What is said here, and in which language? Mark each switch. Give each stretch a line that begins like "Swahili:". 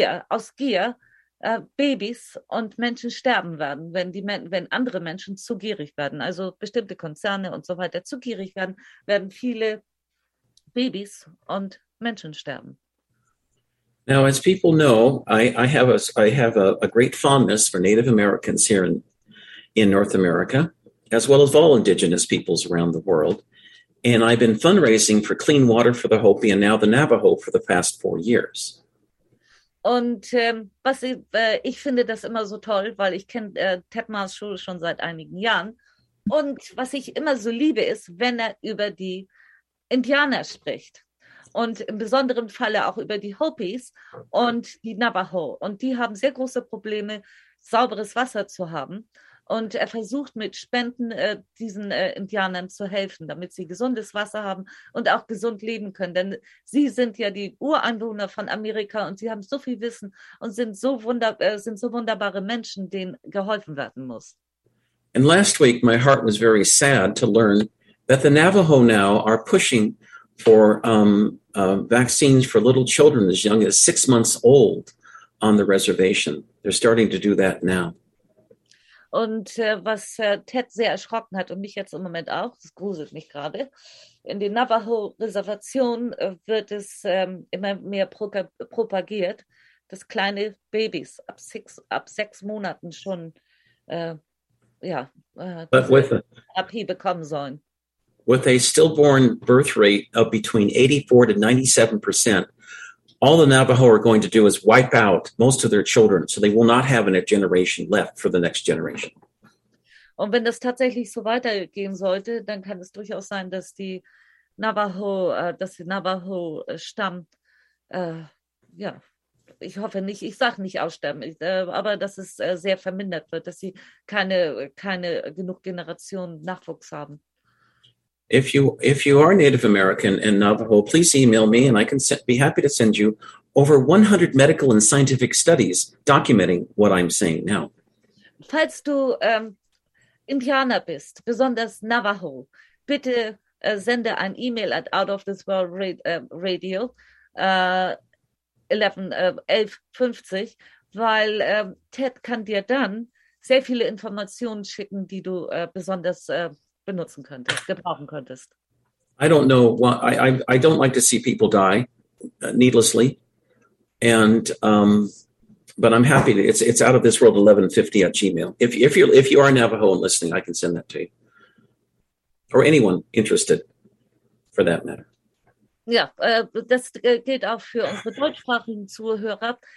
German: aus Gier, Babys und Menschen sterben werden, wenn andere Menschen zu gierig werden, also bestimmte Konzerne und so weiter zu gierig werden, werden viele Babys und Menschen sterben.
English: Now, as people know, I have a great fondness for Native Americans here in North America, as well as all indigenous peoples around the world. And I've been fundraising for clean water for the Hopi and now the Navajo for the past 4 years.
German: Und ich finde das immer so toll, weil ich kenne Ted Marshall schon seit einigen Jahren. Und was ich immer so liebe, ist, wenn er über die Indianer spricht. Und im besonderen Falle auch über die Hopis und die Navajo. Und die haben sehr große Probleme, sauberes Wasser zu haben. Und er versucht mit Spenden diesen Indianern zu helfen, damit sie gesundes Wasser haben und auch gesund leben können. Denn sie sind ja die Ureinwohner von Amerika und sie haben so viel Wissen und sind so wunderbare Menschen, denen geholfen werden muss.
English: And last week, my heart was very sad to learn that the Navajo now are pushing for vaccines for little children as young as 6 months old on the reservation. They're starting to do that now.
German: Und was Ted sehr erschrocken hat und mich jetzt im Moment auch, das gruselt mich gerade, in den Navajo-Reservationen wird es immer mehr propagiert, dass kleine Babys ab sechs Monaten schon Therapie bekommen sollen.
English: With a stillborn birth rate of between 84% to 97%, all the Navajo are going to do is wipe out most of their children, so they will not have a generation left for the next generation.
German: Und wenn das tatsächlich so weitergehen sollte, dann kann es durchaus sein, dass die Navajo, Stamm, ich hoffe nicht, ich sage nicht aussterben, aber dass es sehr vermindert wird, dass sie keine genug Generationen Nachwuchs haben.
English: If you are Native American and Navajo, please email me and I can be happy to send you over 100 medical and scientific studies documenting what I'm saying now.
German: Falls du Indianer bist, besonders Navajo, bitte sende ein E-Mail at Out of This World Radio 11:50, weil Ted kann dir dann sehr viele Informationen schicken, die du besonders benutzen könntest, gebrauchen könntest.
English: I don't know why. I don't like to see people die needlessly. And but I'm happy to, it's out of this world 1150 at Gmail. If you are Navajo and listening, I can send that to you. Or anyone interested for that matter.
German: Ja, das gilt auch für unsere deutschsprachigen Zuhörer.